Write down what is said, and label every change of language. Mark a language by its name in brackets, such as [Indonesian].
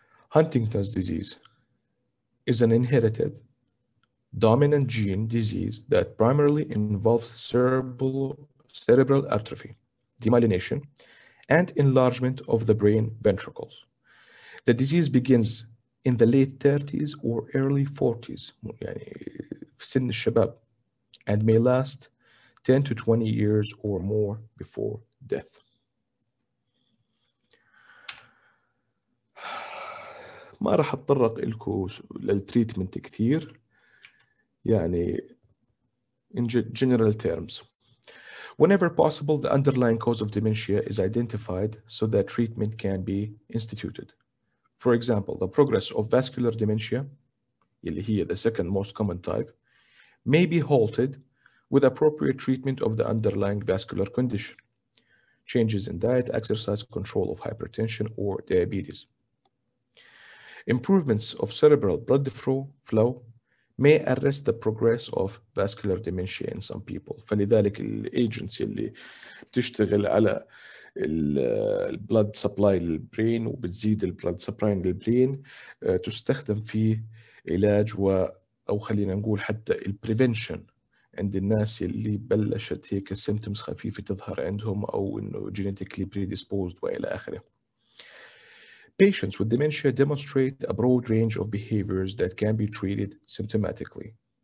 [English] Huntington's disease is an inherited dominant gene disease that primarily involves cerebral atrophy, demyelination, and enlargement of the brain ventricles. The disease begins in the late 30s or early 40s, [Arabic] يعني في سن الشباب, [English] and may last 10 to 20 years or more before death. [Arabic] ما راح اتطرق لكم للتريتمنت كثير يعني [English] in general terms. Whenever possible, the underlying cause of dementia is identified so that treatment can be instituted. For example, the progress of vascular dementia, [Arabic] اللي هي [English] the second most common type, may be halted with appropriate treatment of the underlying vascular condition, changes in diet, exercise, control of hypertension or diabetes. Improvements of cerebral blood flow may arrest the progress of vascular dementia in some people. [Arabic] فلذلك الايجنسي اللي بتشتغل على البلد سبلاي للبرين وبتزيد البلد سبلاي للبرين تستخدم في علاج و او خلينا نقول حتى البريفنشن عند الناس اللي بلشت هيك سيمتومز خفيفه تظهر عندهم او انه جينيتيكلي بريديسبوزد والى اخره. [English] Patients with dementia demonstrate a broad range of behaviors that can be treated symptomatically.